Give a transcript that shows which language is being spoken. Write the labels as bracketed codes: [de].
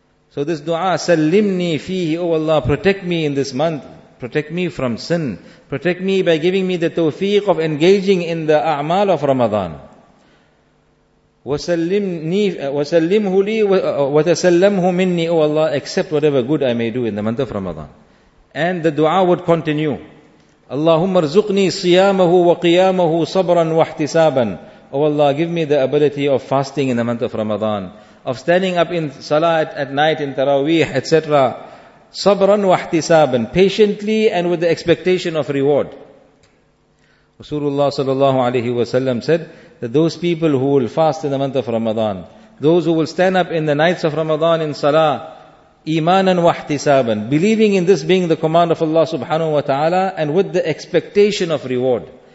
[en] So this dua, Sallimni fihi, O Allah, protect me in this month, protect me from sin, protect me by giving me the tawfiq of engaging in the a'mal of Ramadan. [ar] وَسَلِّمْهُ لِي وَتَسَلَّمْهُ مِنِّي [en] O Allah, accept whatever good I may do in the month of Ramadan. And the dua would continue. [ar] اللهم ارزقني صيامه وقيامه صبرا واحتسابا. [en] O Allah, give me the ability of fasting in the month of Ramadan, of standing up in salah at night in Taraweeh, etc. [ar] صبرا واحتسابا, [en] patiently and with the expectation of reward. Rasulullah sallallahu alayhi wa sallam said that those people who will fast in the month of Ramadan, those who will stand up in the nights of Ramadan in salah, imanan wahtisaban, believing in this being the command of Allah subhanahu wa ta'ala and with the expectation of reward.